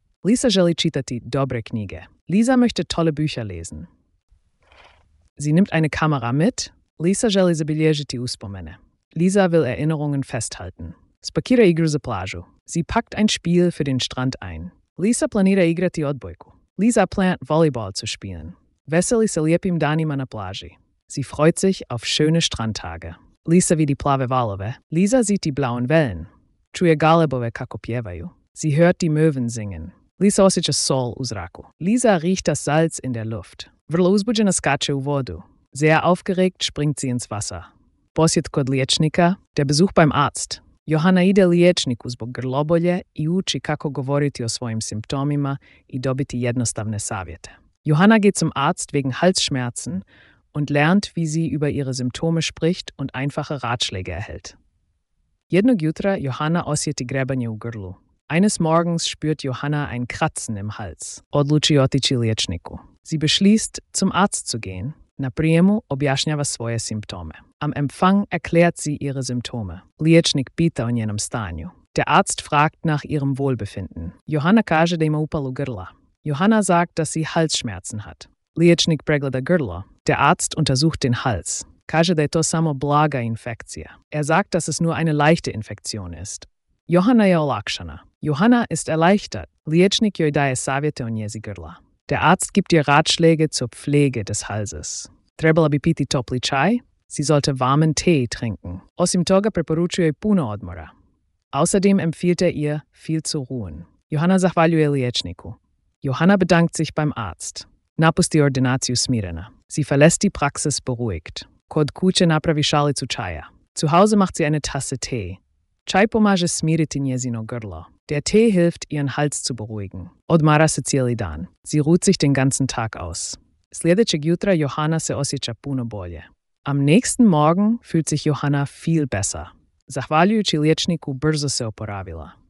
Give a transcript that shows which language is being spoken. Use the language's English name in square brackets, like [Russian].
[Croatian] Lisa želi čitati dobre knjige. [German] Lisa möchte tolle Bücher lesen. Sie nimmt eine Kamera mit. [Croatian] Lisa želi zabilježiti uspomene. [German] Lisa will Erinnerungen festhalten. [Croatian] Spakira igru za plažu. [German] Sie packt ein Spiel für den Strand ein. [Croatian] Lisa planira igrati odbojku. [German] Lisa plant Volleyball zu spielen. [Croatian] Veseli se lijepim danima na plaži. [German] Sie freut sich auf schöne Strandtage. [Croatian] Lisa vidi plave valove. [German] Lisa sieht die blauen Wellen. [Croatian] Čuje galebove kako pjevaju. [German] Sie hört die Möwen singen. [Croatian] Lisa osjeća sol u zraku. [German] Lisa riecht das Salz in der Luft. [Croatian] Vrlo uzbuđena skače u vodu. [German] Sehr aufgeregt springt sie ins Wasser. [Croatian] Posjet kod liječnika. [German] Der Besuch beim Arzt. [Croatian] Johanna ide liječniku zbog grlobolje i uči kako govoriti o svojim simptomima i dobiti jednostavne savjete. [German] Johanna geht zum Arzt wegen Halsschmerzen und lernt, wie sie über ihre Symptome spricht und einfache Ratschläge erhält. [Croatian] Jednog jutra Johanna osjeti grebanje u grlu. [German] Eines Morgens spürt Johanna ein Kratzen im Hals. [Croatian] Odluči otići liječniku. [German] Sie beschließt, zum Arzt zu gehen. [Croatian] Na prijemu objašnjava svoje simptome. [German] Am Empfang erklärt sie ihre Symptome. [Croatian] Liječnik pita o njenom stanju. [German] Der Arzt fragt nach ihrem Wohlbefinden. [Croatian] Johanna kaže da ima upalu grla. [German] Johanna sagt, dass sie Halsschmerzen hat. [Croatian] Liječnik pregleda grlo. [German] Der Arzt untersucht den Hals. [Croatian] Kaže da je to samo blaga infekcija. [German] Er sagt, dass es nur eine leichte Infektion ist. [Croatian] Johanna je olakšana. [German] Johanna ist erleichtert. [Croatian] Liječnik joj daje savjete o njezi grla. [German] Der Arzt gibt ihr Ratschläge zur Pflege des Halses. [Croatian] Trebala bi piti topli čaj? [German] Sie sollte warmen Tee trinken. [Croatian] Osim toga preporučuje puno odmora. [German] Außerdem empfiehlt er ihr, viel zu ruhen. [Croatian] Johanna zahvaljuje liječniku. [German] Johanna bedankt sich beim Arzt. [Croatian] Napusti ordinaciju smirena. [German] Sie verlässt die Praxis beruhigt. [Croatian] Kod kuće napravi šalicu čaja. [German] Zu Hause macht sie eine Tasse Tee. [Croatian] Čaj pomaže smiriti njezino grlo. [German] Der Tee hilft, ihren Hals zu beruhigen. [Croatian] Odmara se cijeli dan. [German] Sie ruht sich den ganzen Tag aus. [Croatian] Sljedećeg jutra Johanna se osjeća puno bolje. [German] Am nächsten Morgen fühlt sich Johanna viel besser. [Croatian] Zahvaljujući liječniku brzo se oporavila.